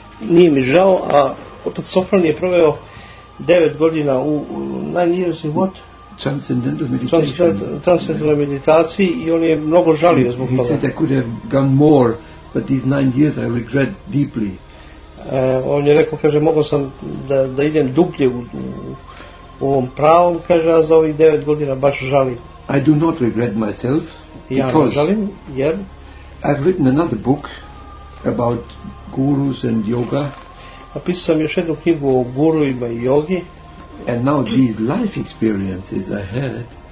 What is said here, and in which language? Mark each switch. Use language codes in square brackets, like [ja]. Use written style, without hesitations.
[sr] Nije mi žao, a otac Sofron je proveo 9 godina u [en] 9 years in what? Transcendental meditation. [sr] Transcendental meditaciji i on je mnogo žalio zbog toga. [en] He said I could have gone more, but these 9 years I regret deeply. [sr] On je rekao, kaže, mogao sam da idem dublje u ovom pravom, kaže, a za ovih 9 godina baš žalim. [en] I do not regret myself because I've written another book about gurus and yoga. [sr] Napisao sam još jednu knjigu o guruima i jogi. [en] And now these life experiences I had,